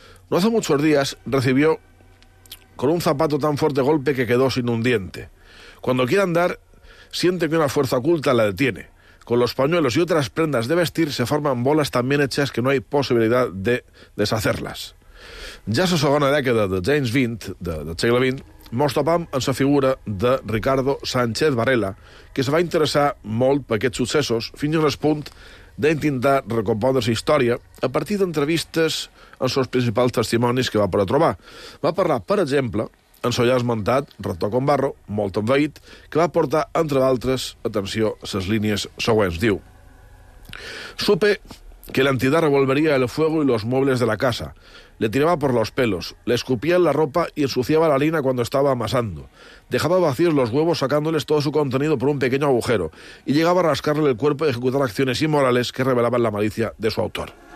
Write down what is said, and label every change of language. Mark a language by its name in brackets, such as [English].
[Spanish] No hace muchos días recibió con un zapato tan fuerte golpe que quedó sin un diente. Cuando quiere andar, siente que una fuerza oculta la detiene. Con los pañuelos y otras prendas de vestir se forman bolas también hechas que no hay posibilidad de deshacerlas. [Catalan] Ja a la segona dècada de James Vint, de segle XX, mos topam amb la figura de Ricardo Sánchez Varela, que se va interessar molt per aquests successos, fins al punt d'intentar recompondre la història a partir d'entrevistes amb els principals testimonis que va poder trobar. Va parlar, per exemple, en el ja esmentat rector Combarro, molt envaït, que va portar, entre d'altres, atenció, les línies següents. Diu: [Spanish] supe que la entidad revolvería el fuego y los muebles de la casa. Le tiraba por los pelos, le escupía en la ropa y ensuciaba la harina cuando estaba amasando. Dejaba vacíos los huevos sacándoles todo su contenido por un pequeño agujero y llegaba a rascarle el cuerpo y ejecutar acciones inmorales que revelaban la malicia de su autor.